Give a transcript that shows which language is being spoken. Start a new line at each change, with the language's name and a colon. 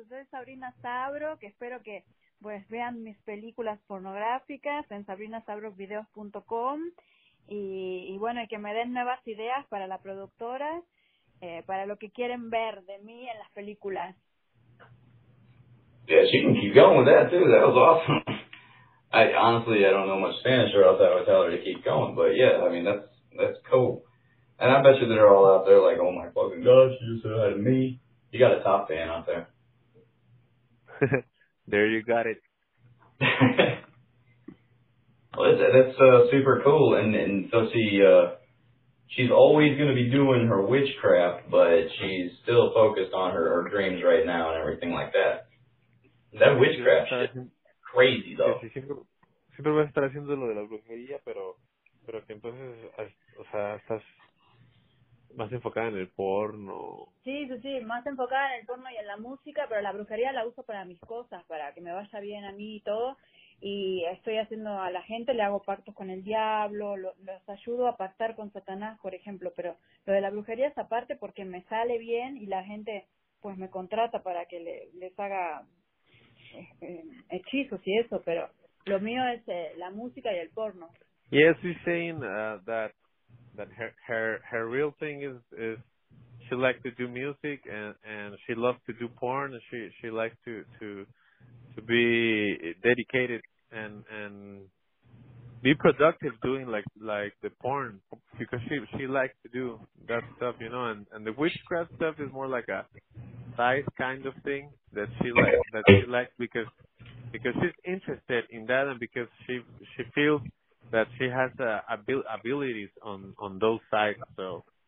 Spanish: Soy Sabrina Sabro, que espero que pues vean mis películas pornográficas en sabrinasabrovideos.com y bueno, y que me den nuevas ideas para la productora, para lo que quieren ver de mí en las películas.
English: Yeah, she can keep going with that, too. That was awesome. Honestly, I don't know much Spanish or else I would tell her to keep going. But, yeah, I mean, that's cool. And I bet you they're all out there like, oh, my fucking God, she just said hi to me. You got a top fan out there. There you got it. Well, that's super cool. And so she's always going to be doing her witchcraft, but she's still focused on her dreams right now and everything like that. That witchcraft shit is crazy, though.
Spanish: Siempre va a estar haciendo lo de la brujería, pero que entonces, o sea, estás... Más enfocada en el porno. Sí, más enfocada en el porno y en la música, pero la brujería la uso para mis cosas, para que me vaya bien a mí y todo. Y estoy haciendo a la gente, le hago pactos con el diablo, los ayudo a pactar con Satanás, por ejemplo. Pero lo de la brujería es aparte porque me sale bien y la gente pues me contrata para que les haga hechizos y eso. Pero lo mío es la música y el porno.
English: Yes, we're saying that her real thing is she likes to do music and she loves to do porn and she likes to be dedicated and be productive doing like the porn because she likes to do that stuff, you know, and the witchcraft stuff is more like a side kind of thing that she likes because she's interested in that and because she feels that she has abilities on those sides, so